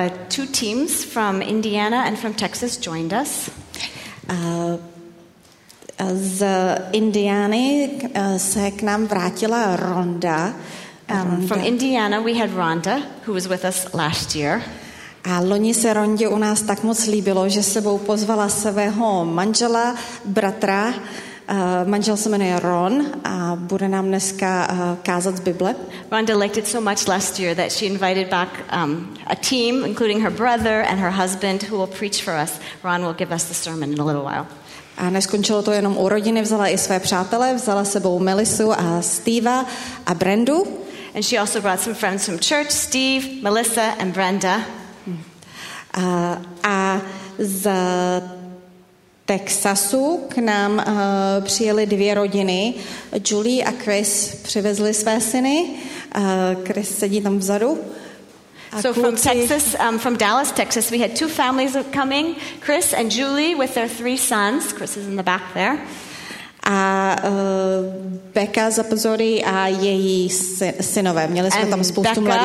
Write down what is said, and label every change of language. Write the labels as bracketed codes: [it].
[en] Two teams from Indiana and from Texas joined us. [cs] Z Indiany se k nám vrátila Ronda. [en] From Indiana we had Ronda, who was with us last year. [cs] A loni se Rondě u nás tak moc líbilo, že sebou pozvala svého manžela, bratra. Manžel se jmenuje Ron a bude nám dneska kázat z Bible. [en] Ronda liked it so much last year that she invited back a team, including her brother and her husband, who will preach for us. Ron will give us the sermon in a little while. [cs] A neskončilo to jenom u rodiny, vzala i své přátele, vzala sebou Melissu a Steva a Brendu. [en] And she also brought some friends from church, Steve, Melissa and Brenda. [cs] A z Texasu k nám přijeli dvě rodiny. Julie a Chris přivezli své syny. Chris sedí tam vzadu. [en] So from Texas, from Dallas, Texas, we had two families coming, Chris and Julie with their three sons. Chris is in the back there. [cs] A Becca Zapazodi a její synové. Měli jsme tam spoustu mladých.